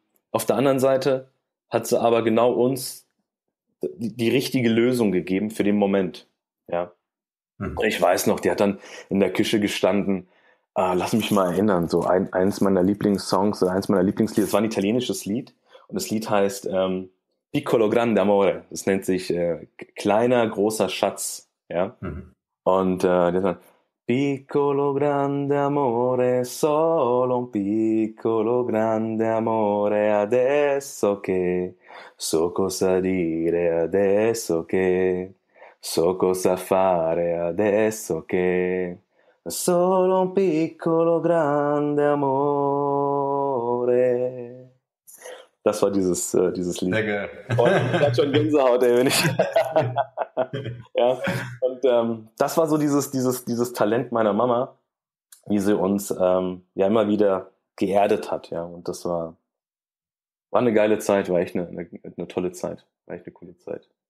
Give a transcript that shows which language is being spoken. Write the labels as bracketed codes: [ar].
[de] Auf der anderen Seite hat sie aber genau uns die richtige Lösung gegeben für den Moment. Ja? Mhm. Ich weiß noch, die hat dann in der Küche gestanden, lass mich mal erinnern, so eins meiner Lieblingssongs oder eins meiner Lieblingslieder, das war ein italienisches Lied und das Lied heißt Piccolo Grande Amore. Das nennt sich Kleiner, großer Schatz. Ja? Mhm. Und der sagt, [it] Piccolo grande amore, solo un piccolo grande amore, adesso che, so cosa dire, adesso che, so cosa fare, adesso che, solo un piccolo grande amore. [de] Das war dieses Lied. Sehr geil. Und ich hatte schon Gänsehaut, ey, wenn ich... Ja, und das war so dieses Talent meiner Mama, wie sie uns ja immer wieder geerdet hat, ja, und das war eine geile Zeit, war echt eine tolle Zeit, war echt eine coole Zeit.